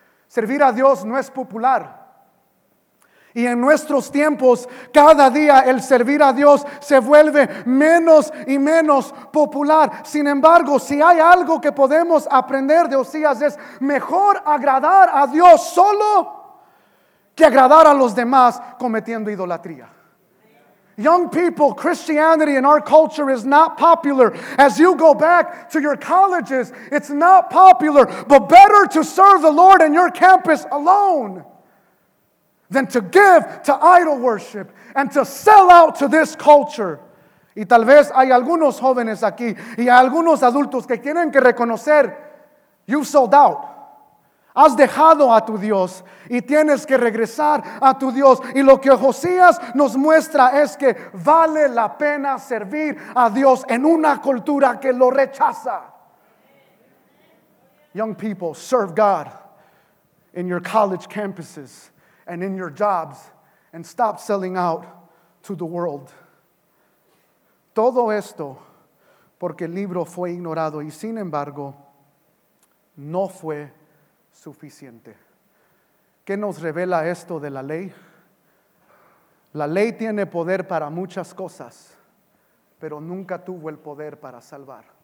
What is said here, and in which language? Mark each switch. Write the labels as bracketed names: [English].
[Spanish] Servir a Dios no es popular. Y en nuestros tiempos, cada día el servir a Dios se vuelve menos y menos popular. Sin embargo, si hay algo que podemos aprender de Josías, es mejor agradar a Dios solo que agradar a los demás cometiendo idolatría. [English] Young people, Christianity in our culture is not popular. As you go back to your colleges, it's not popular. But better to serve the Lord in your campus alone than to give to idol worship and to sell out to this culture. [Spanish] Y tal vez hay algunos jóvenes aquí y hay algunos adultos que tienen que reconocer, [English] you've sold out. [Spanish] Has dejado a tu Dios y tienes que regresar a tu Dios. Y lo que Josías nos muestra es que vale la pena servir a Dios en una cultura que lo rechaza. [English] Young people, serve God in your college campuses and in your jobs and stop selling out to the world. [Spanish] Todo esto porque el libro fue ignorado y sin embargo no fue suficiente. ¿Qué nos revela esto de la ley? La ley tiene poder para muchas cosas, pero nunca tuvo el poder para salvar.